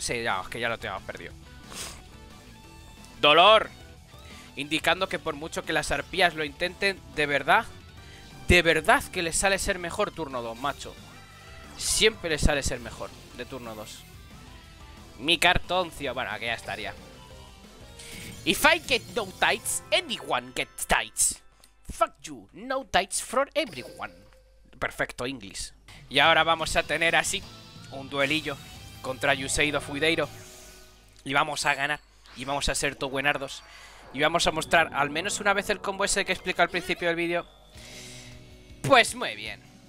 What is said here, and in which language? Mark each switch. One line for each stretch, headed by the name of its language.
Spanish: Sí, ya, es que ya lo teníamos perdido. ¡Dolor! Indicando que por mucho que las arpías lo intenten, de verdad que les sale ser mejor turno 2, macho. Siempre les sale ser mejor de turno 2. Mi cartoncio, bueno, aquí ya estaría.
English: If I get no tights, anyone gets tights. Fuck you, no tights for everyone.
Spanish: Perfecto, inglés. Y ahora vamos a tener así un duelillo contra Yuseido Fuideiro. Y vamos a ganar, y vamos a ser tobuenardos. Y vamos a mostrar al menos una vez el combo ese que explico al principio del vídeo. Pues muy bien.